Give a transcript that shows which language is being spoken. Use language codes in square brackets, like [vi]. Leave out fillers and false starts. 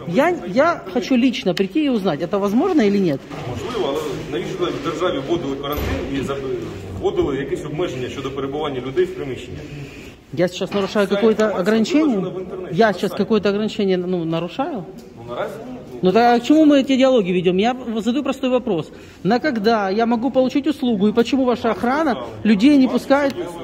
[ru] Я хочу лично прийти и узнать, это возможно или нет? Возможно, но [uk] навіщо в державі вводили карантин и вводили якісь обмеження щодо перебування людей в приміщенні? [ru] Я сейчас нарушаю какое-то ограничение? Я сейчас какое-то ограничение, ну, нарушаю? Ну, тогда к чему мы эти диалоги ведем? Я задаю простой вопрос. На когда я могу получить услугу и почему ваша охрана людей не пускает?